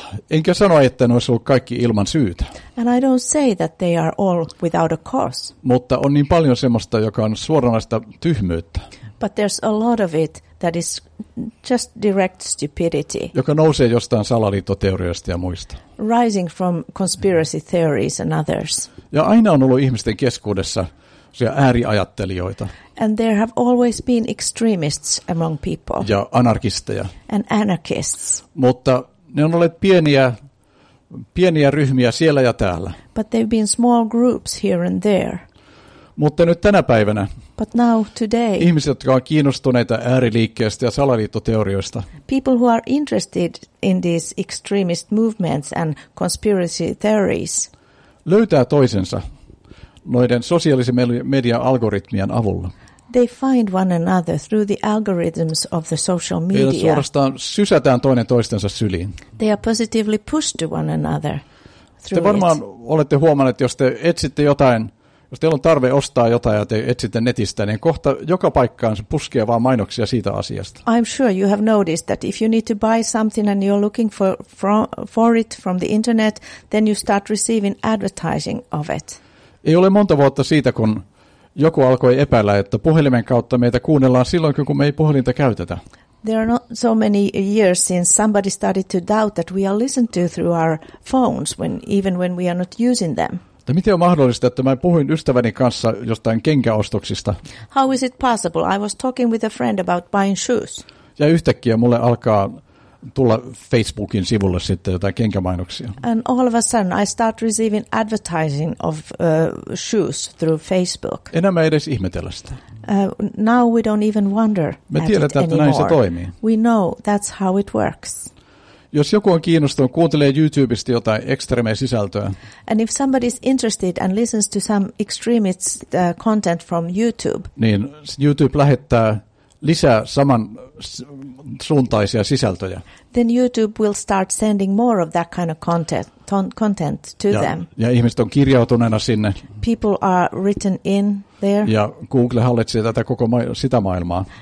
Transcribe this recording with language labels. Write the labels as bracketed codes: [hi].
[fi] Enkä sano, että ne olisi ollut kaikki ilman syytä. [en] And I don't say that they are all without a cause. [fi] Mutta on niin paljon semmoista, joka on suoranaista tyhmyyttä. [en] But there's a lot of it that is just direct stupidity. [fi] Joka nousee jostain salaliittoteorioista ja muista. [en] Rising from conspiracy theories and others. [fi] Ja aina on ollut ihmisten keskuudessa se ääriajattelijoita. [en] And there have always been extremists among people. [fi] Ja anarkisteja. [en] And anarchists. [fi] Mutta ne on olleet pieniä ryhmiä siellä ja täällä. [en] But they've been small groups here and there. [fi] Mutta nyt tänä päivänä. [en] But now today. [fi] Ihmiset, jotka on kiinnostuneita ääriliikkeestä ja salaliittoteorioista. [en] People who are interested in these extremist movements and conspiracy theories. [fi] Löytää toisensa noiden sosiaalisen median algoritmien avulla. [en] They find one another through the algorithms of the social media. [fi] Eli suorastaan sysätään toinen toistensa syliin. [en] They are positively pushed to one another through it. [fi] Te varmaan olette huomanneet, jos te etsitte jotain, jos teillä on tarve ostaa jotain ja te etsitte netistä, niin kohta joka paikkaan se puskee vaan mainoksia siitä asiasta. [en] I'm sure you have noticed that if you need to buy something and you're looking for it from the internet, then you start receiving advertising of it. [fi] Ei ole monta vuotta siitä, kun joku alkoi epäillä, että puhelimen kautta meitä kuunnellaan silloin, kun me ei puhelinta käytetä. [en] There are not so many years since somebody started to doubt that we are listened to through our phones, even when we are not using them. [fi] Miten on mahdollista, että mä puhuin ystäväni kanssa jostain kenkäostoksista? [en] How is it possible? I was talking with a friend about buying shoes. [fi] Ja yhtäkkiä mulle alkaa tulla Facebookin sivulle sitten jotain kenkämainoksia. [en] And all of a sudden I start receiving advertising of shoes through Facebook. [fi] Enää me edes ihmetellä sitä. [en] Now we don't even wonder [fi] me [en] at [fi] tiedetään, [en] it anymore. [fi] Että näin se toimii. [en] We know that's how it works. [fi] Jos joku on kiinnostunut, kuuntelee YouTubesta jotain ekstremeä sisältöä. [en] And if somebody is interested and listens to some extremist content from YouTube. [fi] Niin YouTube lähettää lisää saman suuntaisia sisältöjä. [en] Then YouTube will start sending more of that kind of content to them. [fi] Ja ihmiset on kirjautuneena sinne. [en] People are written in there. [fi] Ja Google hallitsee tätä koko sitä maailmaa.